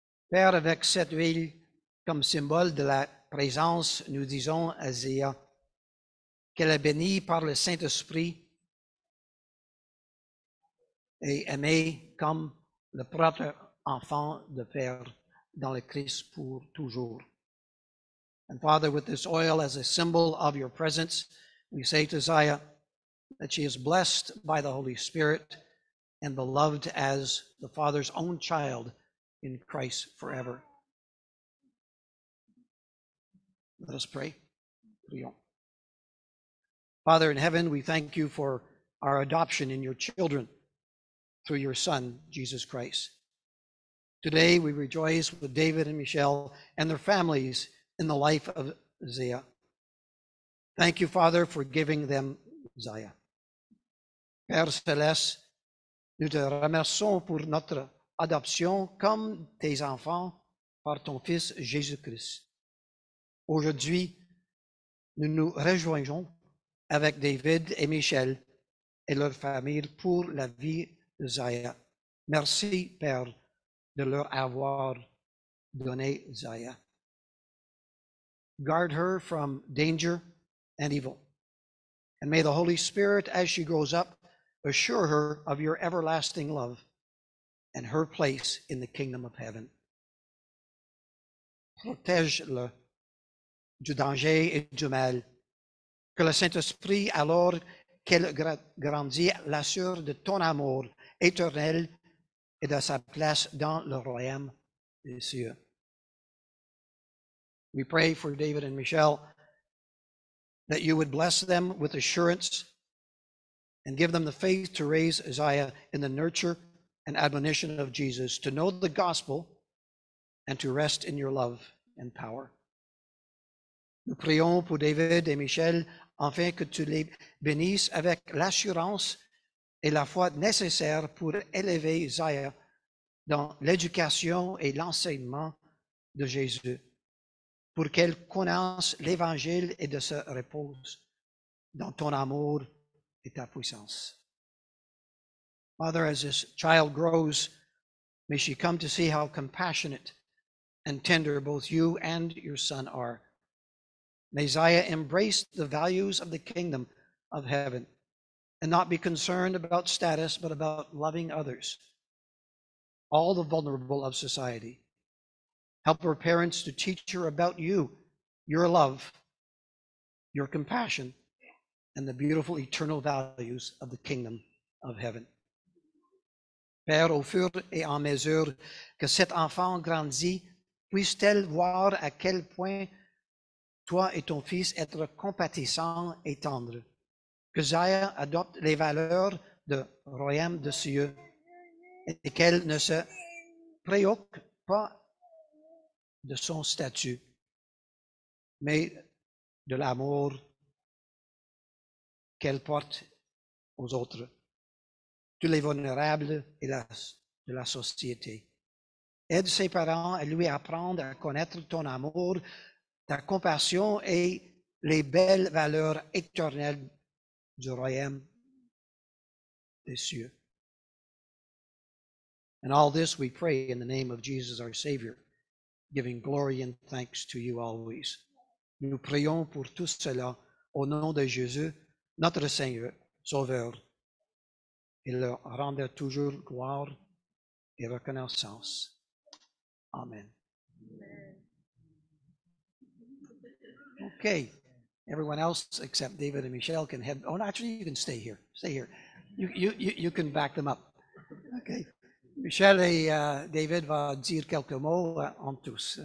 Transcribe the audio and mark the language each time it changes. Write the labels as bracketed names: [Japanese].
[French] Père, avec cette huile comme symbole de la présence, nous disons à Ziyah qu'elle est bénie par le Saint-Esprit et aimer comme le propre enfant de Père dans le Christ pour toujours. [English] And Father, with this oil as a symbol of your presence, we say to Ziyah that she is blessed by the Holy Spirit and beloved as the Father's own child in Christ forever. Let us pray. Father in heaven, we thank you for our adoption in your children through your Son, Jesus Christ. Today, we rejoice with David and Michelle and their families in the life of Ziyah. Thank you, Father, for giving them Ziyah. [French] Père Céleste, nous te remercions pour notre adoption comme tes enfants par ton Fils, Jésus Christ. Aujourd'hui, nous nous rejoignons avec David et Michelle et leur famille pour la vie Ziyah. Merci, Père, de leur avoir donné Ziyah. [English] Guard her from danger and evil. And may the Holy Spirit, as she grows up, assure her of your everlasting love and her place in the kingdom of heaven. [French] Protège-le du danger et du mal. Que le Saint-Esprit, alors qu'elle grandit, l'assure de ton amour éternel et de sa place dans le royaume des cieux. [English] We pray for David and Michelle that you would bless them with assurance and give them the faith to raise Ziyah in the nurture and admonition of Jesus, to know the gospel and to rest in your love and power. [French] Nous prions pour David et Michelle afin que tu les bénisses avec l'assurance et la foi nécessaire pour élever Ziyah dans l'éducation et l'enseignement de Jésus, pour qu'elle connaisse l'Évangile et de se repose dans ton amour et ta puissance. [English] Father, as this child grows, may she come to see how compassionate and tender both you and your Son are. May Ziyah embrace the values of the kingdom of heaven and not be concerned about status, but about loving others. all the vulnerable of society. Help her parents to teach her about you, your love, your compassion, and the beautiful eternal values of the kingdom of heaven. [French] Père, au fur et à mesure que cet enfant grandit, puisse-t-elle voir à quel point toi et ton fils être compatissant et tendre. Que Ziyah adopte les valeurs du royaume de cieux et qu'elle ne se préoccupe pas de son statut, mais de l'amour qu'elle porte aux autres, tous les vulnérables et de la société. Aide ses parents à lui apprendre à connaître ton amour, ta compassion et les belles valeurs éternelles du royaume des cieux. [English] And all this we pray in the name of Jesus our Savior, giving glory and thanks to you always. [French] Nous prions pour tout cela au nom de Jésus, notre Seigneur, Sauveur, et leur rendre toujours gloire et reconnaissance. [English] Amen. Okay, everyone else except David and Michelle can head. Oh, no, actually, you can stay here. Stay here. You can back them up. Okay. [French] Michelle et David va dire quelques mots en tous.